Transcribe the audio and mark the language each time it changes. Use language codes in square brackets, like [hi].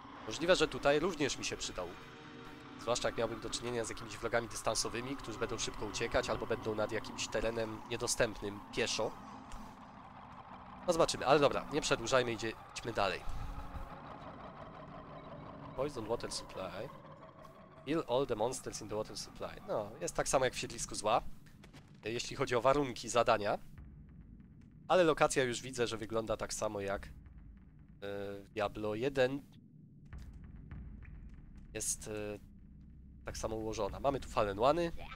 [pl] Możliwe, że tutaj również mi się przyda łuk. Zwłaszcza jak miałbym do czynienia z jakimiś wrogami dystansowymi, którzy będą szybko uciekać albo będą nad jakimś terenem niedostępnym pieszo. No zobaczymy, ale dobra, nie przedłużajmy, idźmy dalej. [en] Poison water supply. Kill all the monsters in the water supply. [pl] No, jest tak samo jak w siedlisku zła, jeśli chodzi o warunki zadania. Ale lokacja już widzę, że wygląda tak samo jak Diablo 1. Jest tak samo ułożona. Mamy tu fallen one'y.